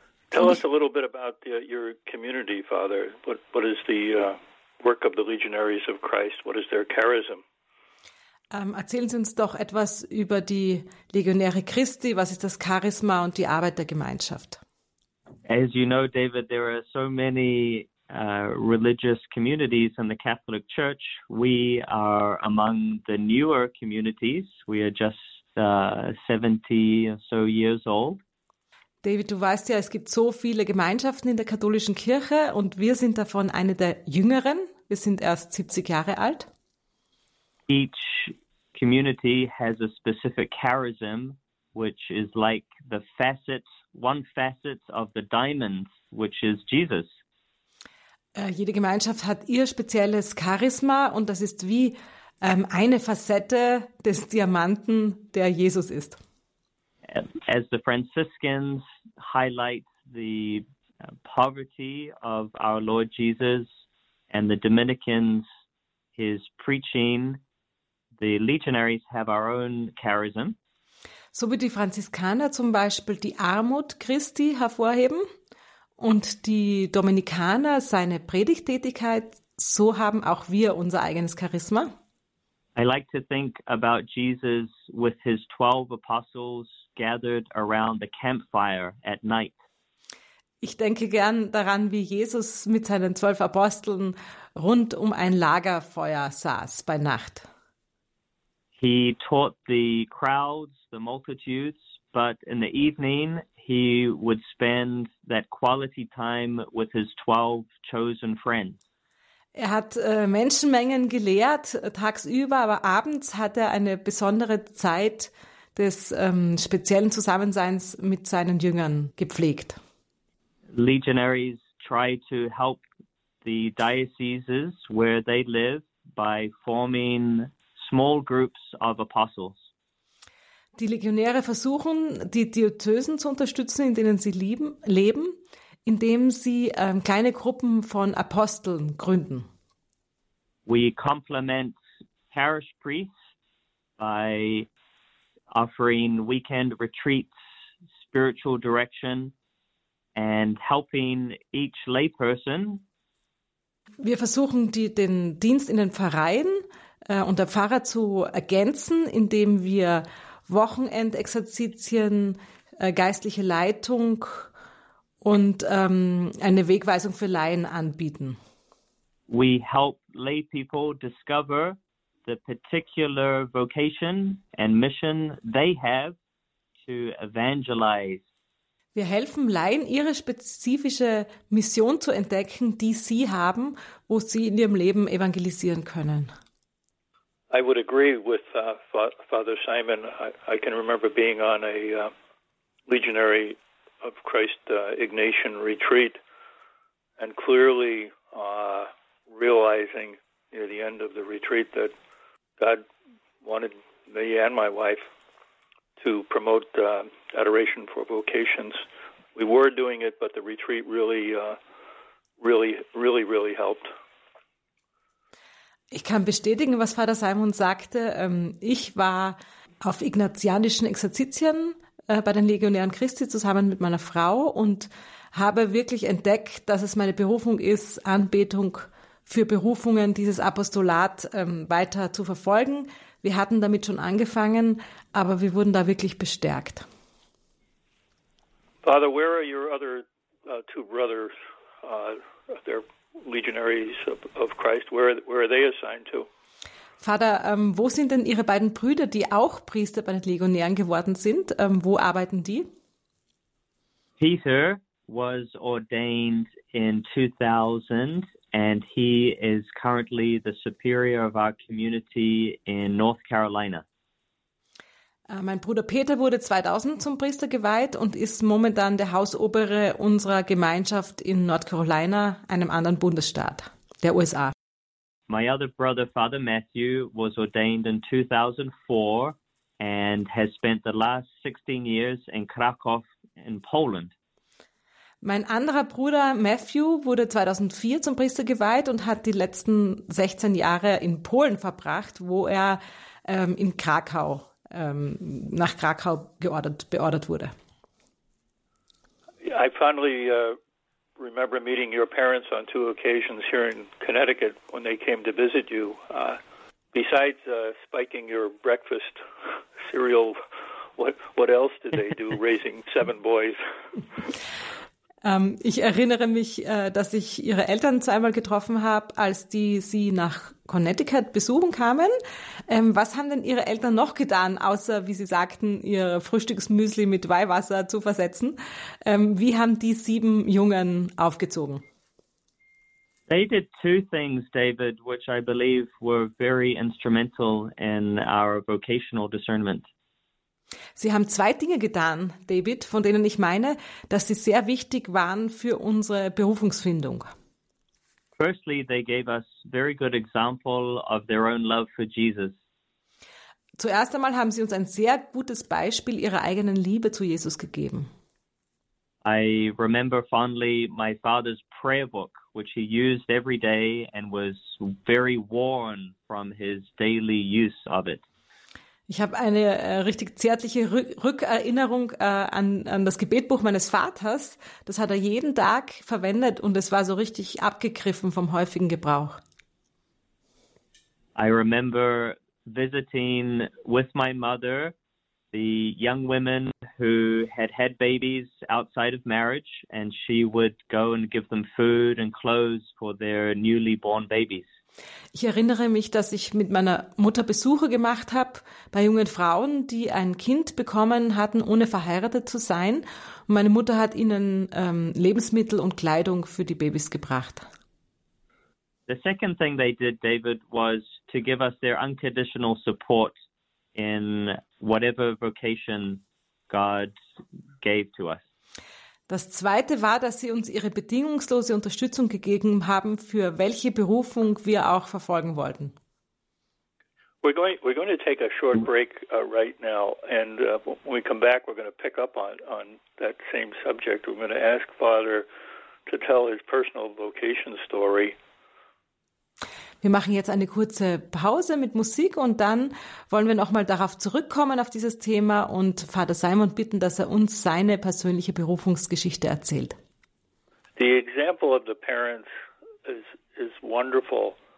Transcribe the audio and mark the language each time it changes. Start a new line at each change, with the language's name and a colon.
English: Tell us a little bit about your community, Father. What is the work of the Legionaries of Christ? What is their charism?
German: Erzählen Sie uns doch etwas über die Legionäre Christi. Was ist das Charisma und die Arbeit der Gemeinschaft?
English: As you know, David, there are so many religious communities in the Catholic Church. We are among the newer communities. We are just 70 or so years old.
German: David, du weißt ja, es gibt so viele Gemeinschaften in der katholischen Kirche und wir sind davon eine der jüngeren. Wir sind erst 70 Jahre alt.
English: Each community has a specific charism, which is like the facets, one facet of the diamond, which is Jesus.
German: Jede Gemeinschaft hat ihr spezielles Charisma und das ist wie eine Facette des Diamanten, der Jesus ist.
English: As the Franciscans highlight the poverty of our Lord Jesus and the Dominicans his preaching, the legionaries have our own charism.
German: So wie die Franziskaner zum Beispiel die Armut Christi hervorheben und die Dominikaner seine Predigttätigkeit, so haben auch wir unser eigenes Charisma.
English: I like to think about Jesus with his 12 apostles gathered around the campfire at night.
German: Ich denke gern daran, wie Jesus mit seinen 12 Aposteln rund um ein Lagerfeuer saß bei Nacht.
English: He taught the crowds, the multitudes, but in the evening he would spend that quality time with his 12 chosen friends.
German: Er hat Menschenmengen gelehrt tagsüber, aber abends hat er eine besondere Zeit des speziellen Zusammenseins mit seinen Jüngern gepflegt.
English: Legionaries try to help the dioceses where they live by forming small groups of apostles.
German: Die Legionäre versuchen, die Diözesen zu unterstützen, in denen sie leben, indem sie kleine Gruppen von Aposteln gründen.
English: We complement parish priests by offering weekend retreats, spiritual direction, and helping each layperson.
German: Wir versuchen, den Dienst in den Pfarreien und der Pfarrer zu ergänzen, indem wir Wochenendexerzitien, geistliche Leitung und eine Wegweisung für Laien anbieten.
English: We help lay people discover the particular vocation and mission they have to evangelize.
German: Wir helfen Laien, ihre spezifische Mission zu entdecken, die sie haben, wo sie in ihrem Leben evangelisieren können.
English: I would agree with Father Simon. I can remember being on a Legionary of Christ Ignatian retreat and clearly realizing near the end of the retreat that God wanted me and my wife to promote adoration for vocations. We were doing it, but the retreat really, really, really, really helped.
German: Ich kann bestätigen, was Vater Simon sagte. Ich war auf ignatianischen Exerzitien bei den Legionären Christi zusammen mit meiner Frau und habe wirklich entdeckt, dass es meine Berufung ist, Anbetung für Berufungen, dieses Apostolat weiter zu verfolgen. Wir hatten damit schon angefangen, aber wir wurden da wirklich bestärkt.
English: Father, where are your other two brothers? They're Legionaries of Christ. Where are they assigned to?
German: Vater, wo sind denn Ihre beiden Brüder, die auch Priester bei den Legionären geworden sind? Wo arbeiten die?
English: Peter was ordained in 2000 and he is currently the superior of our community in North Carolina.
German: Mein Bruder Peter wurde 2000 zum Priester geweiht und ist momentan der Hausobere unserer Gemeinschaft in North Carolina, einem anderen Bundesstaat der USA.
English: My other brother, Father Matthew, was ordained in 2004 and has spent the last 16 years in Krakow in Poland.
German: Mein anderer Bruder Matthew wurde 2004 zum Priester geweiht und hat die letzten 16 Jahre in Polen verbracht, wo er in Krakau, nach Krakau beordert wurde.
English: I finally remember meeting your parents on two occasions here in Connecticut when they came to visit you. Besides spiking your breakfast cereal, what else did they do raising seven boys?
German: Ich erinnere mich, dass ich ihre Eltern zweimal getroffen habe, als die sie nach Connecticut besuchen kamen. Was haben denn ihre Eltern noch getan, außer, wie sie sagten, ihr Frühstücksmüsli mit Weihwasser zu versetzen? Wie haben die sieben Jungen aufgezogen?
English: They did two things, David, which I believe were very instrumental in our vocational discernment.
German: Sie haben zwei Dinge getan, David, von denen ich meine, dass sie sehr wichtig waren für unsere Berufungsfindung.
English: Firstly, they gave us very good example of their own love for Jesus.
German: Zuerst einmal haben sie uns ein sehr gutes Beispiel ihrer eigenen Liebe zu Jesus gegeben.
English: I remember fondly my father's prayer book, which he used every day and was very worn from his daily use of it.
German: Ich habe eine richtig zärtliche Rückerinnerung an das Gebetbuch meines Vaters. Das hat er jeden Tag verwendet und es war so richtig abgegriffen vom häufigen Gebrauch.
English: I remember visiting with my mother the young women who had babies outside of marriage, and she would go and give them food and clothes for their newly born babies.
German: Ich erinnere mich, dass ich mit meiner Mutter Besuche gemacht habe bei jungen Frauen, die ein Kind bekommen hatten, ohne verheiratet zu sein. Und meine Mutter hat ihnen Lebensmittel und Kleidung für die Babys gebracht.
English: The second thing they did, David, was to give us their unconditional support in whatever vocation God gave to us.
German: Das zweite war, dass sie uns ihre bedingungslose Unterstützung gegeben haben, für welche Berufung wir auch verfolgen wollten.
English: We're going to take a short break right now. And when we come back, we're going to pick up on that same subject. We're going to ask Father to tell his personal vocation story.
German: Wir machen jetzt eine kurze Pause mit Musik und dann wollen wir nochmal darauf zurückkommen, auf dieses Thema, und Vater Simon bitten, dass er uns seine persönliche Berufungsgeschichte erzählt.
English: The example of the parents is wonderful.